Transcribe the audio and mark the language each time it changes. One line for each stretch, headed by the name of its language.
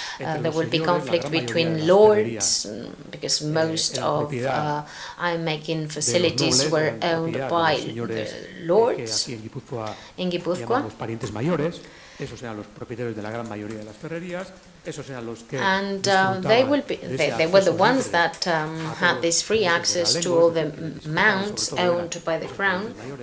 English: There will be conflict between lords, because most of iron-making facilities were owned by the lords in Gipuzkoa.
Spanish: Esos eran los propietarios de la gran mayoría de las ferrerías. Esos eran los que
English: and they were the ones that had this free access to all the mounts owned by the Crown.